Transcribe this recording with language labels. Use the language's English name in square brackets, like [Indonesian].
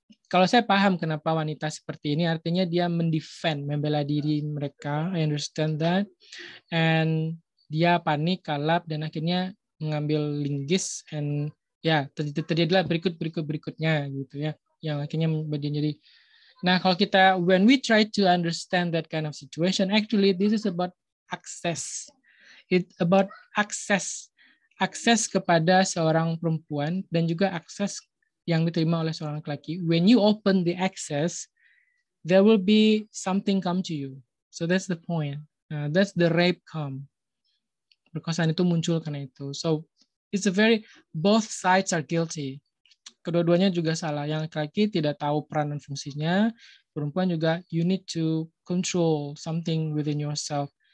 [Indonesian] Kalau saya paham kenapa wanita seperti ini, artinya dia mendefend, membela diri mereka, [English] I understand that. [Indonesian] And dia panik, kalap, dan akhirnya mengambil linggis, and ya, terjadilah berikutnya gitu ya, yang akhirnya menjadi. Nah, kalau kita, [English] when we try to understand that kind of situation, actually this is about access. It about access [Indonesian] kepada seorang perempuan dan juga akses yang diterima oleh seorang laki-laki. [English] When you open the access, there will be something come to you. So that's the point. That's the rape come. [Indonesian] Perkosaan itu muncul karena itu. [English] So it's a very, both sides are guilty. [Indonesian] Kedua-duanya juga salah. Yang laki-laki tidak tahu peran dan fungsinya. Perempuan juga, [English] you need to control something within yourself.